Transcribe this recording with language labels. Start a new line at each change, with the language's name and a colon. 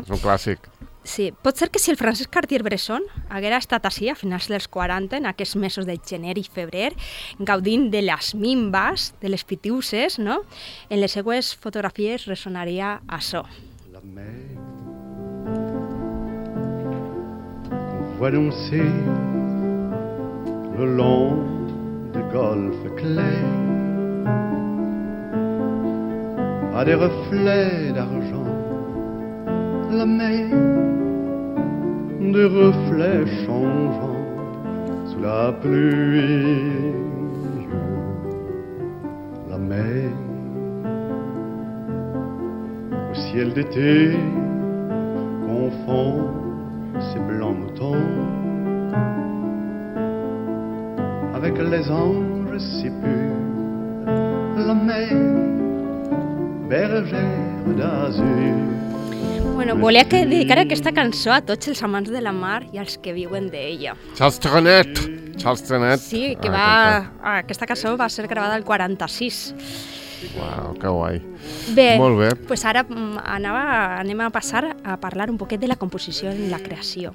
Catalan: Sí, és un clàssic. Sí, pot ser que si el Francesc Cartier-Bresson haguera estat així a finals dels 40, en aquests mesos de gener i febrer, gaudint de les mimbas, de les pitiuses, no? En les seues fotografies ressonaria això. La me...
French: Danser le long des golfes clairs à des reflets d'argent, la mer des reflets changeants sous la pluie, la mer au ciel d'été confond ses blancs moutons avec les anges si purs, la mer bergère d'azur.
Catalan: Bueno, volia que dedicar aquesta cançó a tots els amants de la mar i als que viuen d'ella. Charles Trenet! Charles Trenet! Sí, que va... aquesta cançó va ser gravada el 46. Uau, que guai. Bé, molt bé. Pues ara anem a passar a parlar un poquet de la composició i la creació.